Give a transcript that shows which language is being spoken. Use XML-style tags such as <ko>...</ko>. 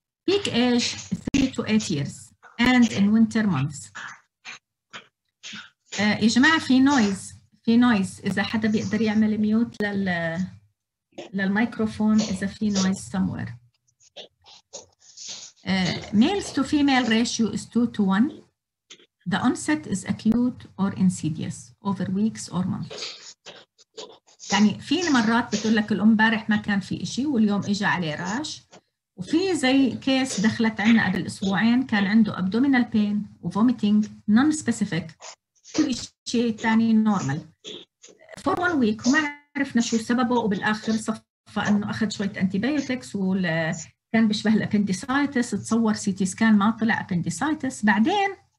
<en>Peak age 3 to 8 years and in winter months.</en> <ar>يا جماعة في noise إذا حدا بيقدر يعمل ميوت للميكروفون إذا في noise somewhere.</ar> <en>Males to female ratio is 2 to 1. The onset is acute or insidious over weeks or months.</en> <ar>يعني في مرات بتقول لك الأم بارح ما كان في إشي واليوم إجا عليه راش وفي زي كيس دخلت عنا قبل أسبوعين كان عنده abdominal pain وvomiting non-specific كل إشي تاني</ar> <en>normal for one week</en> <ar>وما عرفنا شو سببه وبالآخر صفى أنه أخذ شوية antibiotics وكان بشبه الأبندسايتس تصور CT scan ما طلع appendicitis بعدين</ar>